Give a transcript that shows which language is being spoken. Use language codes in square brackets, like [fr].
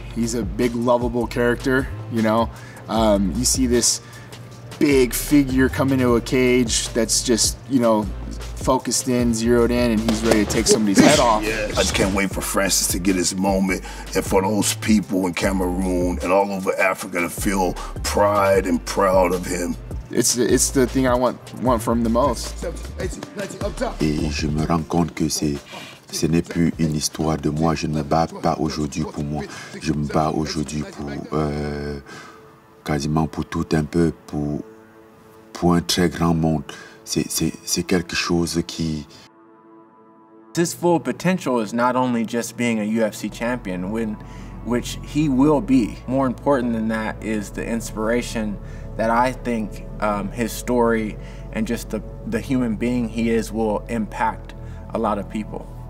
[en] He's a big, lovable character, you know. You see this big figure come into a cage that's just, you know, focused in, zeroed in, and he's ready to take somebody's head off. Yes. I just can't wait for Francis to get his moment and for those people in Cameroon and all over Africa to feel pride and proud of him. It's the thing I want from the most. [fr] 18, 19, et je me rends compte que ce n'est plus une histoire de moi. Je ne me bats pas aujourd'hui pour moi. Je me bats aujourd'hui pour quasiment pour tout un peu, pour un très grand monde. C'est quelque chose qui... [en] His full potential is not only just being a UFC champion, which he will be. More important than that is the inspiration that I think his story and just the human being he is will impact a lot of people.